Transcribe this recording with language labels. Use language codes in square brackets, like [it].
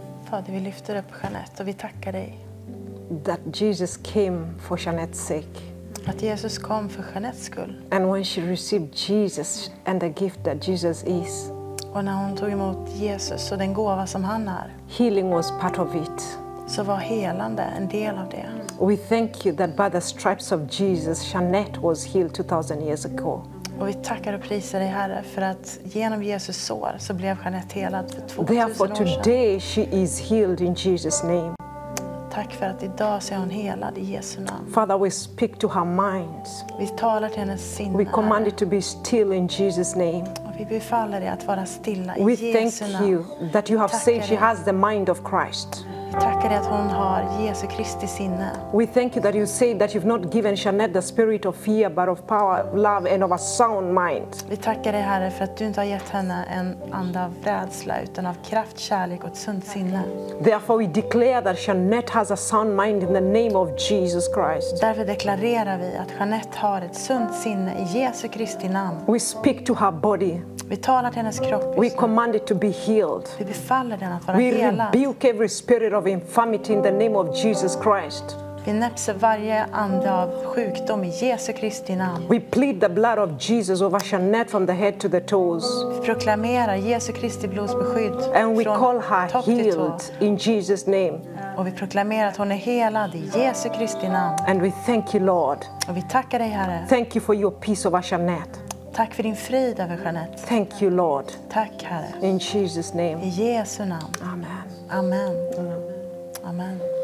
[sv] Fader, vi lyfter upp Jeanette och vi tackar dig. [en] That Jesus came for Jeanette's sake. [sv] Att Jesus kom för Jeanettes skull. [en] And when she received Jesus and the gift that Jesus is. [sv] Och när hon tog emot Jesus och den gåva som han är. [en] Healing was part of it. [sv] Så var helande en del av det. [en] We thank you that by the stripes of Jesus Jeanette was healed 2000 years ago. [sv] Och vi tackar och prisar dig, Herre, för att genom Jesus sår så blev Jeanette helad för 2000 år sedan. [en] Therefore today she is healed in Jesus name. [sv] Tack för att idag så är hon helad i Jesu namn. [en] Father, we speak to her mind. [sv] Vi talar till hennes sinne. [en] We command it to be still in Jesus name. [sv] Och vi befaller dig att vara stilla i [en] we [sv] Jesu namn. [en] We thank you that you have saved. She has the mind of Christ. [sv] Vi tackar dig att hon har Jesu Kristi sinne. [en] We thank you that you say that you've not given Jeanette the spirit of fear but of power, love and of a sound mind. [sv] Vi tackar dig Herre för att du inte har gett henne en ande av rädsla utan av kraft, kärlek och ett sunt sinne. [en] Therefore we declare that Jeanette has a sound mind in the name of Jesus Christ. [sv] Därför deklarerar vi att Jeanette har ett sunt sinne i Jesu Kristi namn. [en] We speak to her body. [sv] Vi talar till hennes kropp. [en] We command it to be healed. [sv] Vi befaller den att vara [en] we [sv] helad. [en] We rebuke every spirit of infirmity in the name of Jesus Christ. [sv] Vi näpser varje ande av sjukdom i Jesu Kristi namn. [en] We plead the blood of Jesus over Jeanette from the head to the toes. [sv] Vi proklamerar Jesu Kristi blods beskydd. [en] And we call her healed in Jesus' name. [sv] Och vi proklamerar att hon är helad i Jesu Kristi namn. [en] And we thank you, Lord. [sv] Och vi tackar dig, Herre. [en] Thank you for your peace over Jeanette. [sv] Tack för din frid över Jeanette. [en] Thank you, Lord. [sv] Tack, Herre. [en] In Jesus' name. [sv] I Jesu namn. [en] Amen. [sv] Amen. Amen.